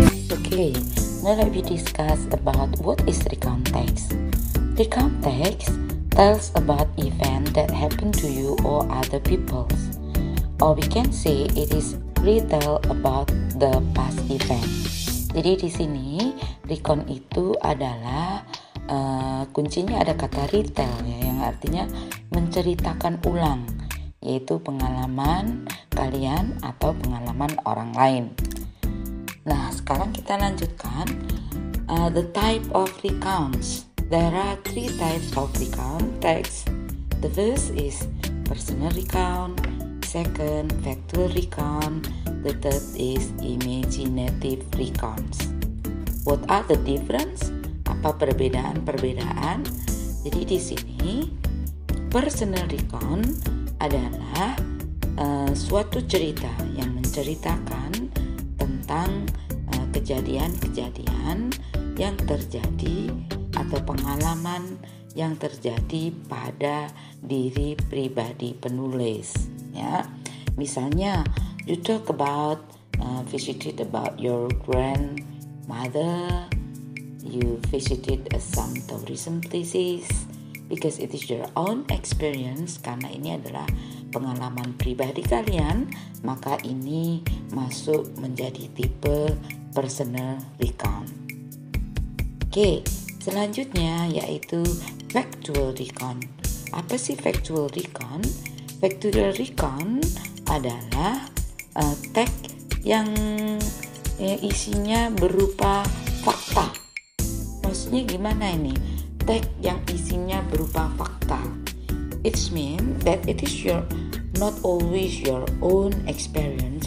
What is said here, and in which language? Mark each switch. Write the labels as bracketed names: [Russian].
[English] Okay, now let me discuss about what is recount text. Recount text tells about events that happened to you or other people. Or we can say it is retell about the past event. [Indonesian] Jadi di sini recount itu adalah kuncinya ada kata retell ya, yang artinya menceritakan ulang, yaitu pengalaman kalian atau pengalaman orang lain. Nah, sekarang kita lanjutkan [English] the type of recounts. There are three types of recount text. The first is personal recount. Second, factual recount. The third is imaginative recounts. What are the difference? [Indonesian] Apa perbedaan-perbedaan? Jadi di sini personal recount adalah suatu cerita yang menceritakan tentang kejadian-kejadian yang terjadi atau pengalaman yang terjadi pada diri pribadi penulis. [English] Ya, misalnya you talk about visited about your grandmother, you visited some tourism places because it is your own experience. [Indonesian] Karena ini adalah pengalaman pribadi kalian, maka ini masuk menjadi tipe personal recount. Oke, selanjutnya yaitu factual recount. Apa sih factual recount? Factual recount adalah teks yang isinya berupa fakta. Maksudnya gimana ini? Teks yang isinya berupa fakta. [English] It means that it is your not always your own experience.